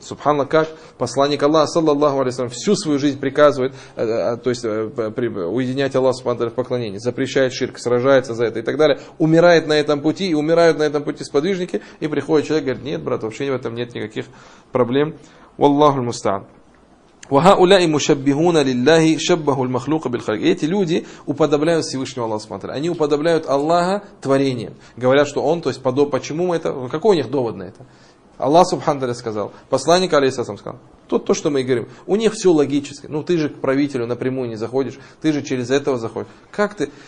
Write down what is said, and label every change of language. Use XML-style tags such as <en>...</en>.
<ru>Субханаллах, как посланник Аллаха, саллаллаху алейхи ва саллям, всю свою жизнь приказывает, то есть уединять Аллаха субхана ва тааля в поклонении, запрещает ширк, сражается за это и так далее. Умирает на этом пути, и умирают на этом пути сподвижники, и приходит человек и говорит, нет, брат, вообще в этом нет никаких проблем.</ru> <ar>Валлаху аль-мустаан. وهؤلاء مشبهون لله شبه المخلوق بالخلق.</ar> <ru>Эти люди уподобляют Всевышнего Аллаха субхана. Они уподобляют Аллаха творением. Говорят, что он, то есть подоб, почему мы это? Какой у них довод на это? Аллах субхана тааля сказал. Посланник алейхиссалям сказал. То, что мы и говорим. У них все логически. Ну ты же к правителю напрямую не заходишь, ты же через этого заходишь. Как ты?</ru>